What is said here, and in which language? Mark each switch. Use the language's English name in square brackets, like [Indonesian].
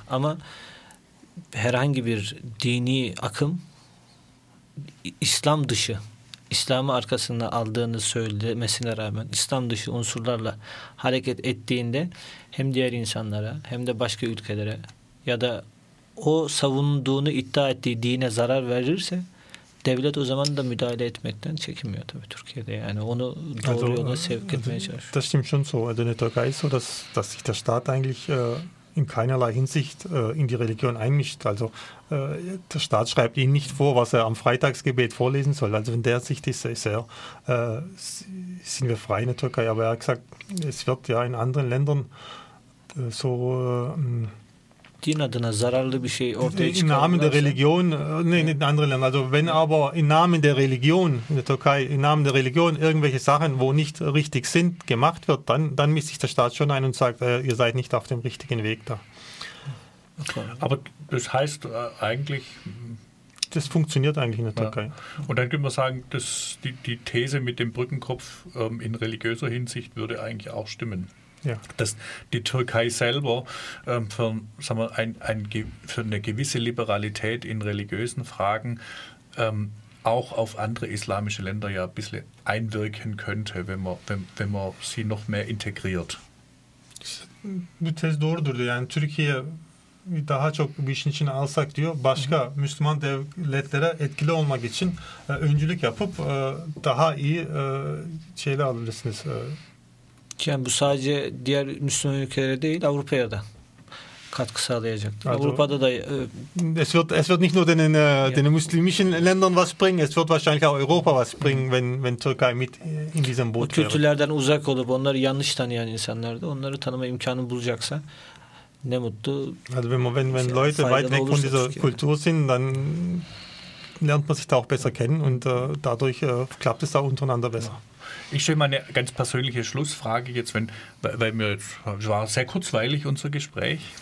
[Turkish] Ama herhangi bir dini akım İslam dışı, İslam'ı arkasında aldığını söylemesine rağmen İslam dışı unsurlarla hareket ettiğinde hem diğer insanlara hem de başka ülkelere ya da o savunduğunu iddia ettiği dine zarar verirse devlet o zaman da müdahale etmekten çekinmiyor tabii Türkiye'de. Yani onu doğru yola sevk etmeye çalışıyor. [German] Das stimmt schon so. Also in der Türkei ist so, dass sich der Staat eigentlich in keinerlei Hinsicht in die Religion einmischt. Also der Staat schreibt ihm nicht vor, was er am Freitagsgebet vorlesen soll. Also in der Sicht sind wir frei in der Türkei. Aber er hat gesagt, es wird ja in anderen Ländern so... [Turkish] Din adına zararlı bir şey ortaya çıkarmışlar. [German] Im Namen der Religion, nicht in anderen Ländern. Also wenn aber im Namen der Religion, in der Türkei, im Namen der Religion irgendwelche Sachen, wo nicht richtig sind, gemacht wird, dann mischt sich der Staat schon ein und sagt, ihr seid nicht auf dem richtigen Weg da. Okay. Aber das heißt eigentlich... Das funktioniert eigentlich in der Türkei. Und dann könnte man sagen, dass die These mit dem Brückenkopf in religiöser Hinsicht würde eigentlich auch stimmen. Ja. Dass die Türkei selber für eine gewisse Liberalität in religiösen Fragen auch auf andere islamische Länder ja ein bisschen einwirken könnte, wenn man sie noch mehr integriert. [Turkish] Bu tez doğrudur diyor. Yani Türkiye daha çok bir işin içine alsak diyor, başka Müslüman devletlere etkili olmak için öncülük yapıp daha iyi şeyler alabilirsiniz. Yani bu sadece diğer Müslüman ülkelere değil, Avrupa'ya da katkı sağlayacaktır. Also, Avrupa'da da [German] es wird nicht nur den muslimischen Ländern was bringen, es wird wahrscheinlich auch Europa was bringen, wenn Türkei mit in diesem Boot wäre. [Turkish] O kültürlerden uzak olup onları yanlış tanıyan insanlar da onları tanıma imkanı bulacaksa ne mutlu. [German] Also wenn Leute weit weg von dieser Kultur sind, dann lernt man sich da auch besser kennen und dadurch klappt es da untereinander besser. Ich stelle mal eine ganz persönliche Schlussfrage jetzt, weil wir jetzt, es war sehr kurzweilig unser Gespräch.